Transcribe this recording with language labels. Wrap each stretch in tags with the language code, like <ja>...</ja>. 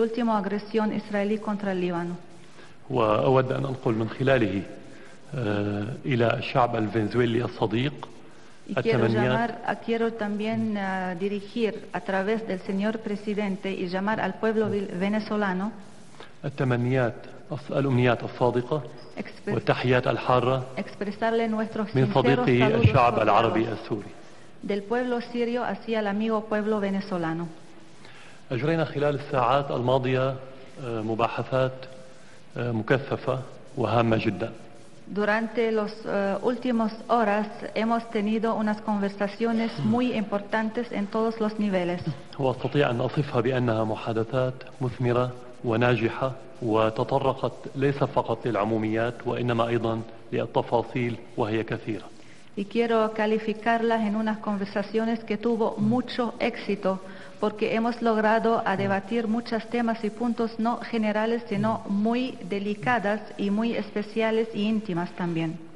<es>última agresión israelí contra el Líbano.</es> <ar>وأود أن أنقل من خلاله إلى الشعب الفنزويلي الصديق.</ar> <es>Y quiero también dirigir a través del señor presidente y llamar al pueblo venezolano expresarle nuestros sinceros saludos del pueblo sirio hacia el amigo pueblo venezolano.</es> <ar>أجرينا خلال الساعات الماضية مباحثات مكثفة وهامة جدا.</ar> <es>Durante las últimas horas hemos tenido unas conversaciones muy importantes en todos los niveles.</es> <ar>وأستطيع أن أصفها بأنها محادثات مثمرة وناجحة وتطرقت ليس فقط للعموميات وإنما أيضا للتفاصيل وهي كثيرة.</ar> <es>Y quiero calificarlas en unas conversaciones que tuvo mucho éxito porque hemos logrado a debatir muchos temas y puntos no generales sino muy delicadas y muy especiales y íntimas también.</es>